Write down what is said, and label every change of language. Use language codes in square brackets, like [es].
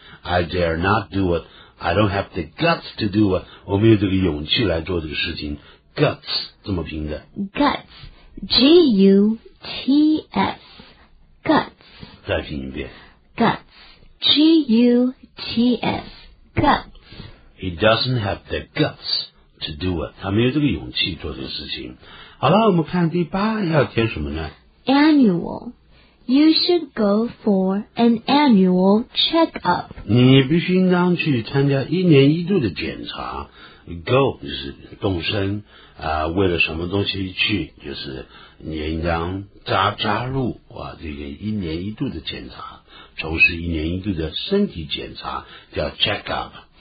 [en] I dare not do itI don't have the guts to do it. [zh] 我没有这个勇气来做这个事情。 Guts, 怎么拼的？ [en] Guts, G-U-T-S, guts. [zh] 再拼一遍。 [en] Guts, G-U-T-S, guts. He doesn't have the guts to do it. [zh] 他没有这个勇气做这个事情。好了，我们看第八要填什么呢？ [en] Annual. You should go for an annual checkup. [zh] 你必须应当去参加一年一度的检查。 Go 就是动身，为了什么东西去，就是你应当加入哇，这个一年一度的检查，从事一年一度的身体检查叫 checkup。